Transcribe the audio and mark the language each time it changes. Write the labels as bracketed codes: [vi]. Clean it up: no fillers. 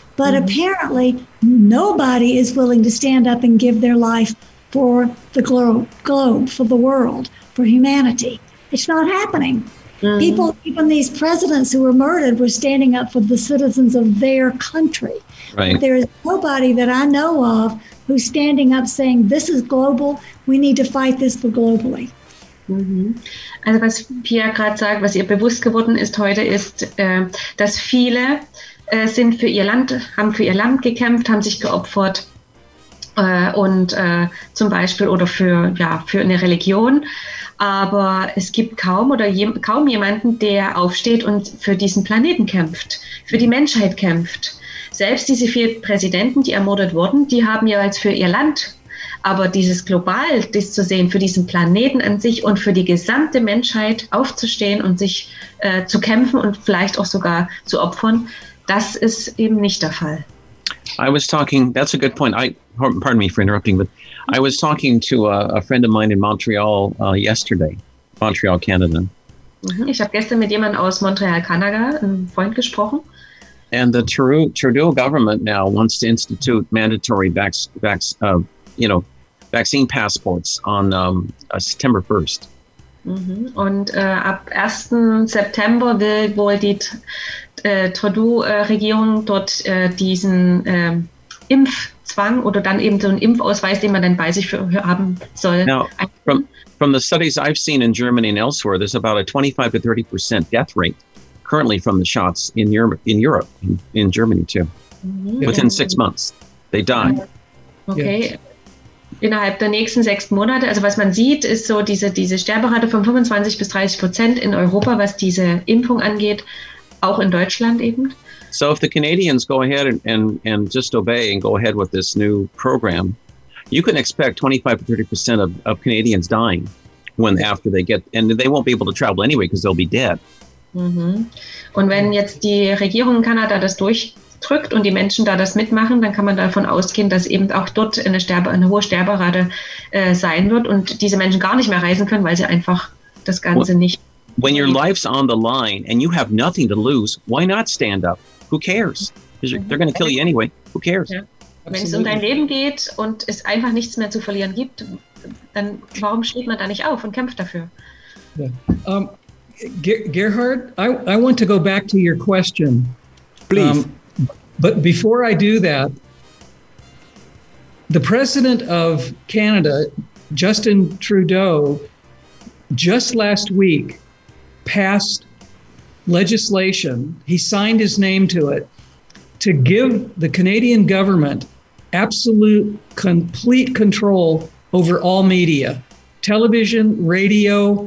[en] But apparently nobody is willing to stand up and give their life for the globe, for the world, for humanity. It's not happening. People, even these presidents who were murdered, were standing up for the citizens of their country. Right. But there is nobody that I know of who's standing up saying, this is global, we need to fight this for globally. [de] Also was Pierre gerade sagt, was ihr bewusst geworden ist heute, ist, dass viele sind für ihr Land, haben für ihr Land gekämpft, haben sich geopfert und zum Beispiel oder für, ja, für eine Religion. Aber es gibt kaum oder kaum jemanden, der aufsteht und für diesen Planeten kämpft, für die Menschheit kämpft. Selbst diese vier Präsidenten, die ermordet wurden, die haben ja jetzt für ihr Land. Aber dieses global, das zu sehen, für diesen Planeten an sich und für die gesamte Menschheit aufzustehen und sich zu kämpfen und vielleicht auch sogar zu opfern, das ist eben nicht der Fall. [en] I was talking, that's a good point. Pardon me for interrupting, but I was talking to a friend of mine in Montreal yesterday, Montreal, Canada. [de] Ich habe gestern mit jemandem aus Montreal, Kanada, einem Freund gesprochen. [en] And the Trudeau government now wants to institute mandatory vaccine passports on September 1st. [de] Mm-hmm. Und ab 1. September will wohl die Trudeau-Regierung dort diesen Impfzwang oder dann eben so einen Impfausweis, den man dann bei sich haben soll. [en] Now, from the studies I've seen in Germany and elsewhere, there's about a 25-30% death rate currently from the shots in Europe, in Germany too. Mm-hmm. Within 6 months, they die. Okay. Yes. [de] Innerhalb der nächsten 6 Monate, also was man sieht, ist so diese Sterberate von 25-30% in Europa, was diese Impfung angeht, auch in Deutschland eben. [en] So if the Canadians go ahead and just obey and go ahead with this new program, you can expect 25-30% of Canadians dying after they get, and they won't be able to travel anyway because they'll be dead. Mm-hmm. [de] Und wenn jetzt die Regierung in Kanada das durchdrückt und die Menschen da das mitmachen, dann kann man davon ausgehen, dass eben auch dort eine hohe Sterberate sein wird und diese Menschen gar nicht mehr reisen können, weil sie einfach das Ganze nicht. [en] When your life's on the line and you have nothing to lose, why not stand up? Who cares? They're going to kill you anyway. Who cares? [de] Ja. Wenn es um dein Leben geht und es einfach nichts mehr zu verlieren gibt, dann warum steht man da nicht auf und kämpft dafür? Ja. [en] Gerhard, I want to go back to your question. Please. But before I do that, the president of Canada, Justin Trudeau, just last week passed legislation, he signed his name to it, to give the Canadian government absolute, complete control over all media, television, radio.